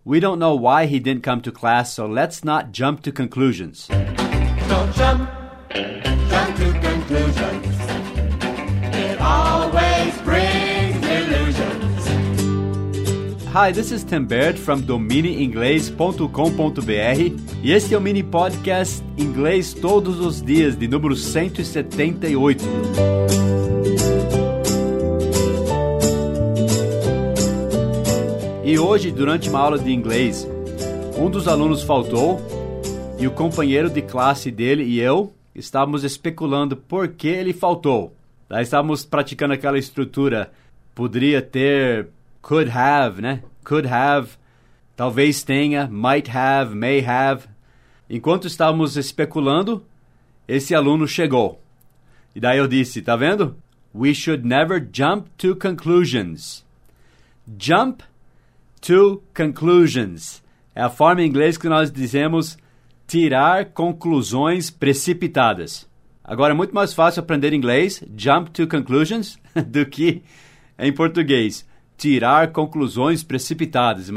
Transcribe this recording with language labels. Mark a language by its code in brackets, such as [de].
[en] We don't know why he didn't come to class, so let's not jump to conclusions. Don't jump to conclusions. It always brings illusions. Hi, this is Tim Baird from DominiInglês.com.br [pt] e este é o mini podcast Inglês Todos os Dias, de número 178. E hoje, durante uma aula de inglês, um dos alunos faltou e o companheiro de classe dele e eu estávamos especulando por que ele faltou. Daí estávamos praticando aquela estrutura, poderia ter, [en] could have, [pt] né? [en] Could have, [pt] talvez tenha, [en] might have, may have. [pt] Enquanto estávamos especulando, esse aluno chegou. E daí eu disse, tá vendo? [en] We should never jump to conclusions. Jump to conclusions. [pt] É a forma em inglês que nós dizemos tirar conclusões precipitadas. Agora, é muito mais fácil aprender inglês, [en] jump to conclusions, [pt] do que em português, tirar conclusões precipitadas.